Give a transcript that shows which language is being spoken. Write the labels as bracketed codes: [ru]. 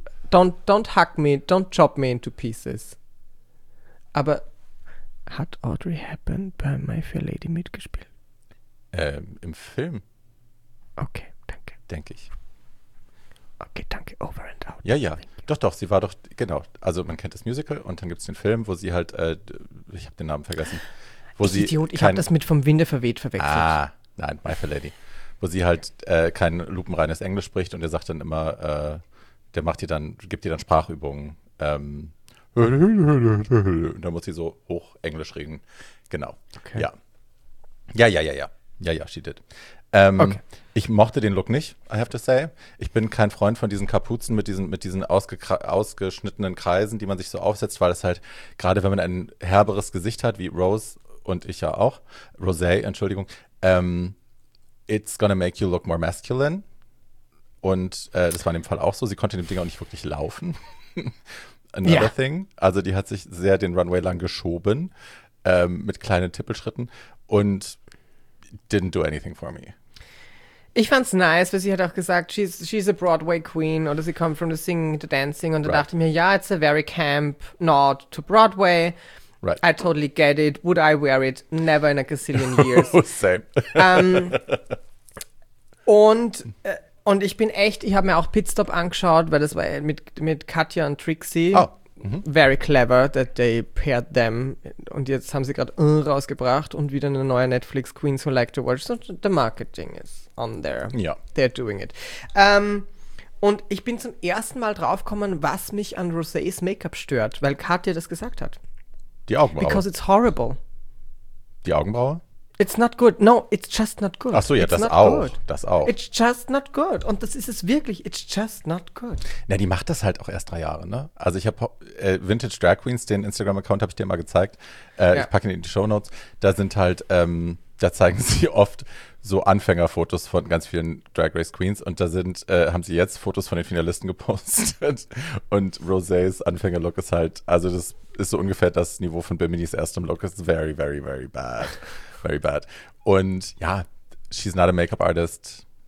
[en] Don't hug me, don't chop me into pieces. [de] Aber hat Audrey Hepburn bei My Fair Lady mitgespielt? Im Film. Okay, danke. Denke ich. [en] Okay, danke. Over and out. [de] Ja, ja. Doch, sie war doch, genau. Also man kennt das Musical und dann gibt es den Film, wo sie halt, ich habe den Namen vergessen. Ich habe das mit Vom Winde verweht verwechselt. Ah, nein, My Fair Lady. Wo sie halt kein lupenreines Englisch spricht und der sagt dann immer, der macht ihr dann, gibt ihr dann Sprachübungen. Und dann muss sie so hoch Englisch reden. Genau, okay. [en] Ja. Ja, she did. Okay. [de] Ich mochte den Look nicht, [en] I have to say. [de] Ich bin kein Freund von diesen Kapuzen mit diesen ausgeschnittenen Kreisen, die man sich so aufsetzt, weil es halt, gerade wenn man ein herberes Gesicht hat, wie Rose und ich ja auch, Rosé, Entschuldigung, [en] It's gonna make you look more masculine. [de] Und das war in dem Fall auch so. Sie konnte dem Ding auch nicht wirklich laufen. [en] Another yeah. thing. [de] Also die hat sich sehr den Runway lang geschoben mit kleinen Tippelschritten und [en] didn't do anything for me. [de] Ich fand's nice, weil sie hat auch gesagt, [en] she's a Broadway queen [de] oder sie kommt [en] from the singing to dancing [de] und da right. dachte ich mir, ja, [en] it's a very camp nod to Broadway. Right. I totally get it. Would I wear it? Never in a gazillion years. Same. [de] Und ich bin echt, ich habe mir auch Pitstop angeschaut, weil das war mit Katja und Trixie. Oh. Mhm. [en] Very clever that they paired them. [de] Und jetzt haben sie gerade rausgebracht und wieder eine neue Netflix Queens Who Like to Watch. [en] So the marketing is on there. [de] Ja. [en] They're doing it. [de] Und ich bin zum ersten Mal draufgekommen, was mich an Rosés Make-up stört, weil Katja das gesagt hat. Die Augenbraue. [en] Because it's horrible. [de] Die Augenbraue? [en] It's not good. No, it's just not good. [de] Ach so, ja, [en] it's [de] das auch. Good. Das auch. [en] It's just not good. [de] Und das ist es wirklich. [en] It's just not good. [de] Na, die macht das halt auch erst 3 Jahre, ne? Also ich habe Vintage Drag Queens, den Instagram-Account habe ich dir mal gezeigt. Ja. Ich packe ihn in die Shownotes. Da sind halt, da zeigen sie oft so Anfängerfotos von ganz vielen Drag Race Queens. Und da sind, haben sie jetzt Fotos von den Finalisten gepostet. Und Rosés Anfängerlook ist halt, also das ist so ungefähr das Niveau von Bimini's erstem Look. [en] It's very, very, very bad. Very bad. Und ja, she's not a makeup artist.